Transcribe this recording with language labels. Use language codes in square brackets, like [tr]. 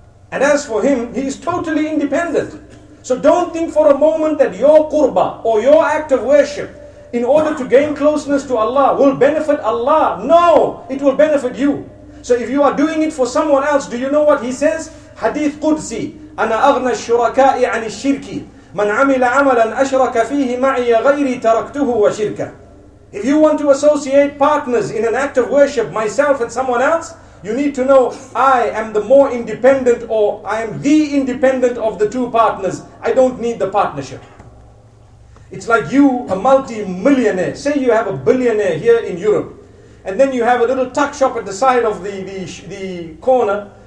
[en] And as for Him, He is totally independent. So don't think for a moment that your qurba or your act of worship in order to gain closeness to Allah will benefit Allah. No, it will benefit you. So if you are doing it for someone else, do you know what he says? [ar] Hadith Qudsi, أنا أغنى الشركاء عن الشرك من عمل عملا أشرك فيه معي غيري تركته وشركه. [en] If you want to associate partners in an act of worship, myself and someone else, you need to know, I am the more independent, or I am the independent of the two partners. I don't need the partnership. It's like you, a multi-millionaire. Say you have a billionaire here in Europe. And then you have a little tuck shop at the side of the corner.